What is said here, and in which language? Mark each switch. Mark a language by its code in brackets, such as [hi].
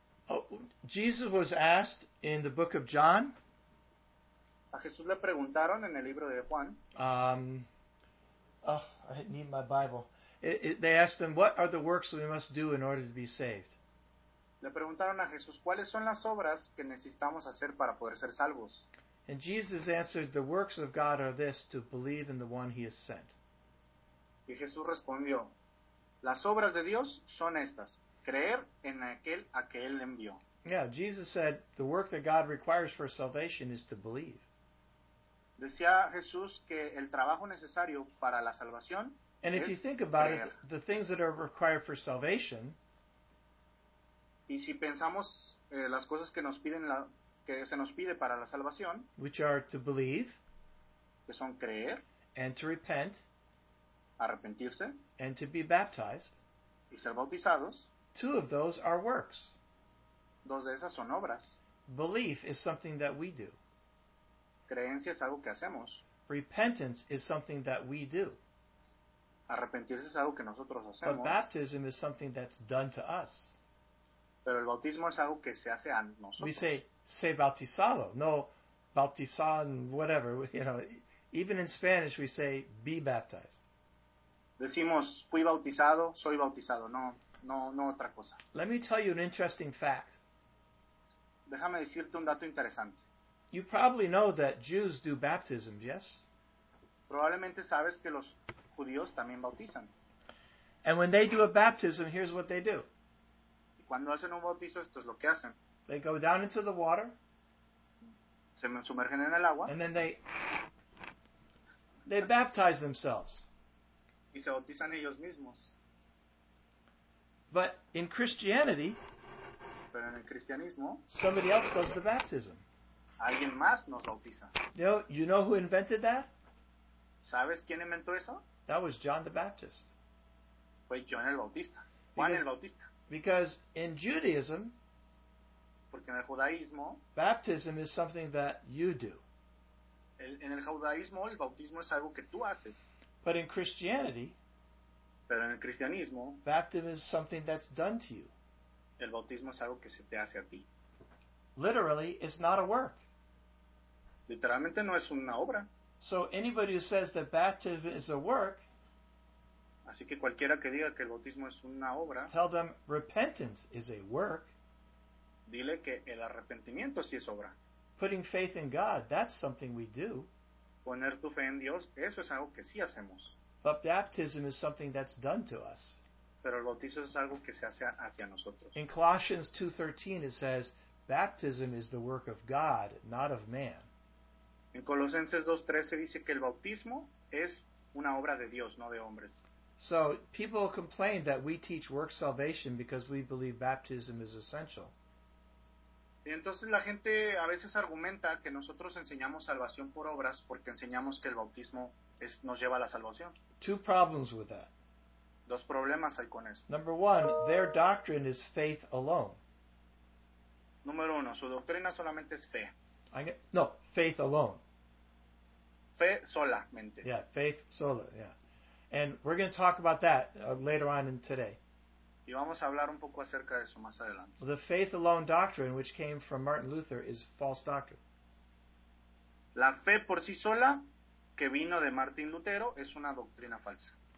[en] Oh, Jesus was asked in the book of John. [es] A Jesús le preguntaron en el libro de Juan. [en] I need my Bible. They asked him, what are the works we must do in order to be saved? [es] Le preguntaron a Jesús, ¿cuáles son las obras que necesitamos hacer para poder ser salvos? [en] And Jesus answered, the works of God are this, to believe in the one he has sent. [es] Y Jesús respondió, las obras de Dios son estas, creer en aquel a que él envió. [en] Yeah, Jesus said, the work that God requires for salvation is to believe. [es] Decía Jesús que el trabajo necesario para la salvación es creer. [en] And if you think about it, the things that are required for salvation, [es] y si pensamos las cosas que nos piden, que se nos pide para la salvación, [en] which are to believe, [es] que son creer, [en] and to repent, [es] arrepentirse, [en] and to be baptized, [es] y ser bautizados, [en] two of those are works. [es] Dos de esas son obras. [en] Belief is something that we do. [es] Creencia es algo que hacemos. [en] Repentance is something that we do. [es] Arrepentirse es algo que nosotros hacemos. [en] But baptism is something that's done to us. [es] Pero el bautismo es algo que se hace a nosotros. [en] We say, [es] se bautizado. No, bautizan, [en] whatever. You know, even in Spanish we say, be baptized. [es] Decimos, fui bautizado, soy bautizado. No, no, no otra cosa. [en] Let me tell you an interesting fact. [es] Déjame decirte un dato interesante. [en] You probably know that Jews do baptisms, yes? [es] Probablemente sabes que los judíos también bautizan. [en] And when they do a baptism, here's what they do. [es] Cuando hacen un bautizo, esto es lo que hacen. [en] They go down into the water. [es] Se sumergen en el agua. [en] And then they baptize themselves. [es] Y se bautizan ellos mismos. [en] But in Christianity, [es] pero en el cristianismo, [en] somebody else does the baptism. [es] Alguien más nos bautiza. [en] You know who invented that? [es] ¿Sabes quién inventó eso? [en] That was John the Baptist. [es] Fue John el Bautista. Juan el Bautista. [en] Because in Judaism, [es] porque en el judaísmo, [en] baptism is something that you do. [es] En el judaísmo, el bautismo es algo que tú haces. [en] But in Christianity, [es] pero en el cristianismo, [en] baptism is something that's done to you. [es] El bautismo es algo que se te hace a ti. [en] Literally, it's not a work. [es] Literalmente no es una obra. [en] So anybody who says that baptism is a work, [es] así que cualquiera que diga que el bautismo es una obra, [en] tell them repentance is a work. [es] Dile que el arrepentimiento sí es obra. [en] Putting faith in God, that's something we do. [es] Poner tu fe en Dios, eso es algo que sí hacemos. [en] But baptism is something that's done to us. [es] Pero el bautismo es algo que se hace hacia nosotros. [en] In Colossians 2:13 it says, baptism is the work of God, not of man. [es] En Colosenses 2:13 dice que el bautismo es una obra de Dios, no de hombres. [en] So, people complain that we teach work salvation because we believe baptism is essential. [es] Y entonces la gente a veces argumenta que nosotros enseñamos salvación por obras porque enseñamos que el bautismo es, nos lleva a la salvación. [en] Two problems with that. [es] Dos problemas hay con eso. [en] Number one, their doctrine is faith alone. [es] Número uno, su doctrina solamente es fe. [en] Faith alone. [es] Fe solamente. [en] Yeah, faith sola, yeah. And we're going to talk about that later on in today. [es] Y vamos a hablar un poco acerca de eso más adelante. [en] The faith alone doctrine, which came from Martin Luther, is false doctrine. [es] La fe por sí sola, que vino de Martín Lutero, es una doctrina falsa.